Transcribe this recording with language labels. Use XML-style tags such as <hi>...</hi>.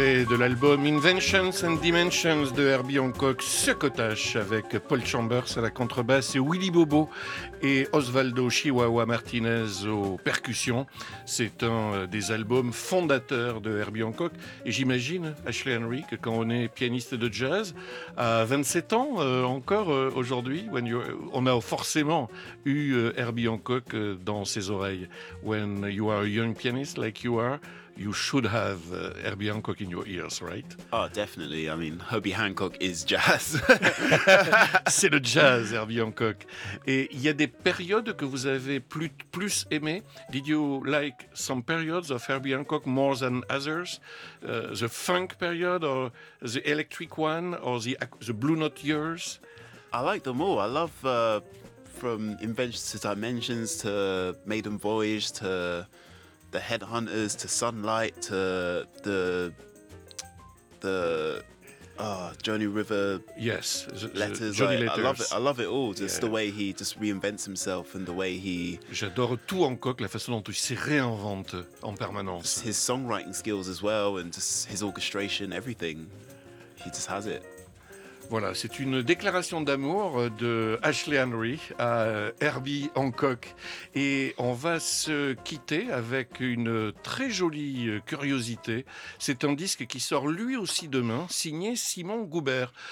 <fr>De l'album Inventions and Dimensions de Herbie Hancock, Succotash, avec Paul Chambers à la contrebasse et Willy Bobo et Osvaldo Chihuahua Martinez aux percussions. C'est un des albums fondateurs de Herbie Hancock. Et j'imagine, Ashley Henry, que quand on est pianiste de jazz, à 27 ans encore aujourd'hui, on a forcément eu Herbie Hancock dans ses oreilles.</fr> <en>When you are a young pianist like you are, you should have Herbie Hancock in your ears, right? Oh, definitely. I mean, Herbie Hancock is jazz.</en> <fr>C'est le jazz, Herbie Hancock. Et il y a des périodes que vous avez plus aimées.</fr> <en>Did you like some periods of Herbie Hancock more than others? The funk period, or the electric one, or the Blue Note years? I like them all. I love from Inventions to Dimensions to Maiden Voyage to The Headhunters, to Sunlight, to the Joni River. Yes, Letters. Letters. I love it all. Just the way he just reinvents himself and the way he.</en> <fr>J'adore tout en Coq, la façon dont il se réinvente en permanence.</fr> <en>His songwriting skills as well, and just his orchestration, everything. He just has it.</en> <fr>Voilà, c'est une déclaration d'amour de Ashley Henry à Herbie Hancock. Et on va se quitter avec une très jolie curiosité. C'est un disque qui sort lui aussi demain, signé Simon Goubert.</fr>